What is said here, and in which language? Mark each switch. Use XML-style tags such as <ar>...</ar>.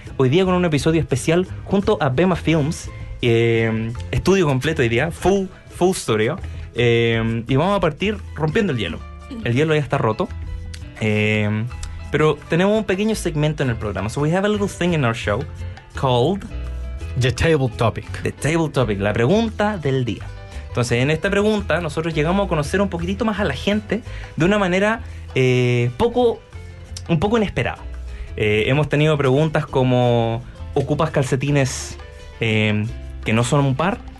<es>Hoy día con un episodio especial junto a Bema Films. Estudio completo hoy día,</es> <en>full studio.</en> <es>Y vamos a partir rompiendo el hielo. El hielo ya está roto. Pero tenemos un pequeño segmento en el programa.</es> <en>So we have a little thing in our show called... The Table Topic.</en> <es>The Table Topic, la pregunta del día. Entonces, en esta pregunta, nosotros llegamos a conocer un poquitito más a la gente de una manera un poco inesperada. Hemos tenido preguntas como, ¿ocupas calcetines que no son un par?</es>